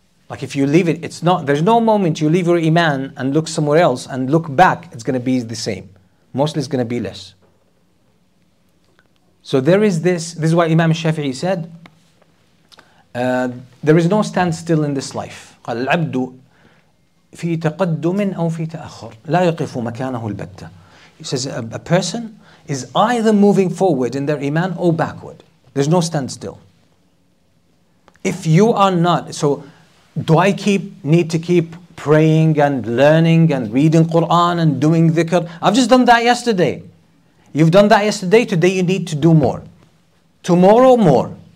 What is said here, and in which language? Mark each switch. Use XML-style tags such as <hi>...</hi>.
<en>Like if you leave it, it's not. There's no moment you leave your iman and look somewhere else and look back, it's going to be the same. Mostly it's going to be less. So there is this. This is why Imam Shafi'i said, there is no standstill in this life.</en> <ar>قال العبد في تقدم أو في تأخر لا يقف مكانه البتة.</ar> <en>He says a person is either moving forward in their iman or backward. There's no standstill. If you are not, so Do I need to keep praying and learning and reading Quran and doing dhikr? I've just done that yesterday. You've done that yesterday, today you need to do more. Tomorrow, more.</en>